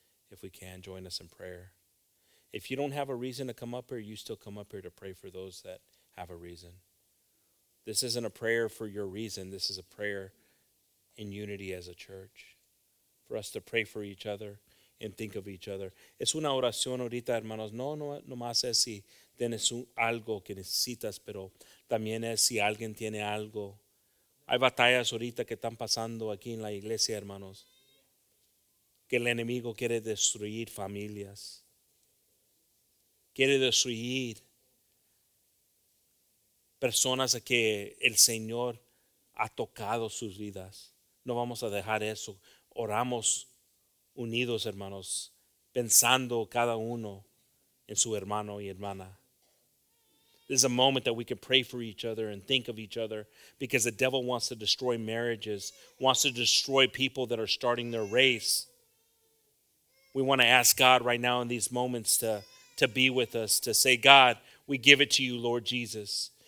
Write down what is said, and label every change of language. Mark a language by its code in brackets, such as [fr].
[en] If we can, join us in prayer. If you don't have a reason to come up here, you still come up here to pray for those that have a reason. This isn't a prayer for your reason. This is a prayer in unity as a church, for us to pray for each other and think of each other. [es] Es una oración ahorita, hermanos. No más es si tienes algo que necesitas, pero también es si alguien tiene algo. Hay batallas ahorita que están pasando aquí en la iglesia, hermanos, que el enemigo quiere destruir familias, quiere destruir personas que el Señor ha tocado sus vidas. No vamos a dejar eso. Oramos unidos, hermanos, pensando cada uno en su hermano y hermana. [en] This is a moment that we can pray for each other and think of each other, because the devil wants to destroy marriages, wants to destroy people that are starting their race. We want to ask God right now in these moments to be with us, to say, God, we give it to you, Lord Jesus.